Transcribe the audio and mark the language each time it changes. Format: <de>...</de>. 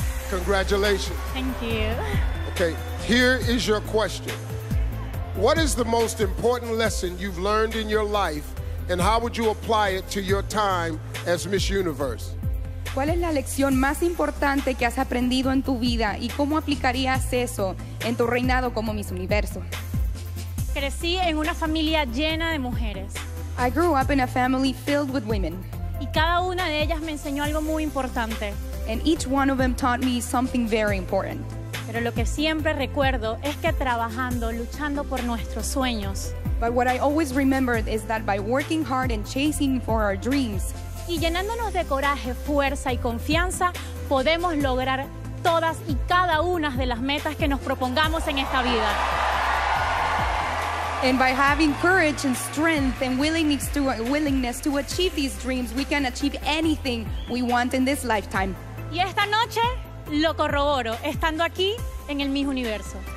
<en>Congratulations. Thank you. Okay, here is your question. What is the most important lesson you've learned in your life, and how would you apply it to your time as Miss Universe?</en> <es>¿Cuál es la lección más importante que has aprendido en tu vida y cómo aplicarías eso en tu reinado como Miss Universo? Crecí en una familia llena de mujeres.</es> <en>I grew up in a family filled with women.</en> <es>Y cada una de ellas me enseñó algo muy importante.</es> <en>And each one of them taught me something very important.</en> <es>Pero lo que siempre recuerdo es que trabajando, luchando por nuestros sueños.</es> <en>But what I always remembered is that by working hard and chasing for our dreams,</en> <es>y llenándonos de coraje, fuerza y confianza, podemos lograr todas y cada una de las metas que nos propongamos en esta vida.</es> <en>And by having courage and strength and willingness to achieve these dreams, we can achieve anything we want in this lifetime.</en> <es>Y esta noche lo corroboro estando aquí en el Miss Universo.</es>